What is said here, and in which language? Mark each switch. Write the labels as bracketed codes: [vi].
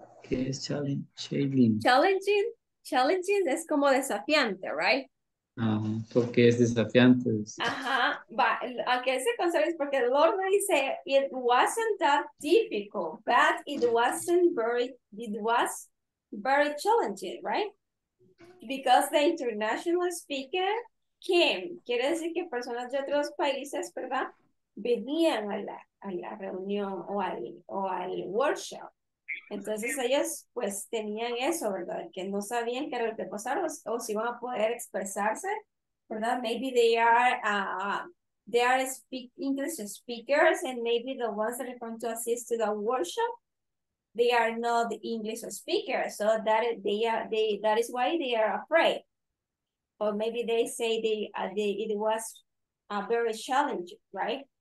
[es] Es como desafiante, right? Porque es desafiante. Ajá. [en] Okay, [es] ese concepto es porque Lorna dice [en] it wasn't that difficult, but it was very challenging, right? Because the international speaker came. [es] Quiere decir que personas de otros países, ¿verdad? Venían a la reunión o al workshop. Entonces ellos pues tenían eso, ¿verdad? Que no sabían qué era lo que pasaron o si iban a poder expresarse, ¿verdad? [en] Maybe they are English speakers and maybe the ones that are going to assist to the workshop, they are not English speakers, so that is why they are afraid. Or maybe they say it was very challenging, right?